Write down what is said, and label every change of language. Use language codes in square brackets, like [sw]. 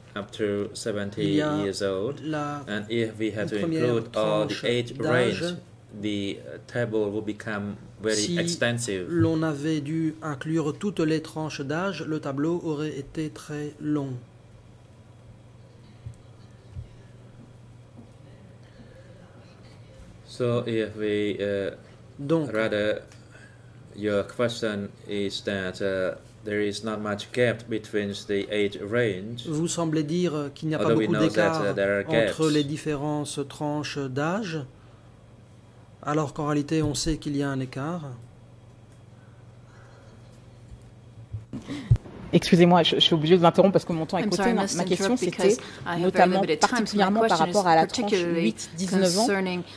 [en] Up to 70 years old, and if we have to include all the age range, the table will become very extensive. [fr] Si l'on avait dû inclure toutes les tranches d'âge, le tableau aurait été très long. [en] So if we rather, your question is that. There is not much gap between the age range. [fr] Vous semblez dire qu'il n'y a pas beaucoup d'écart entre les différentes tranches d'âge, alors qu'en réalité, on sait qu'il y a un écart. Excusez-moi, je suis obligée de vous interrompre parce que mon temps est coûté. Ma question, c'était notamment particulièrement par rapport à la tranche 8-19 ans.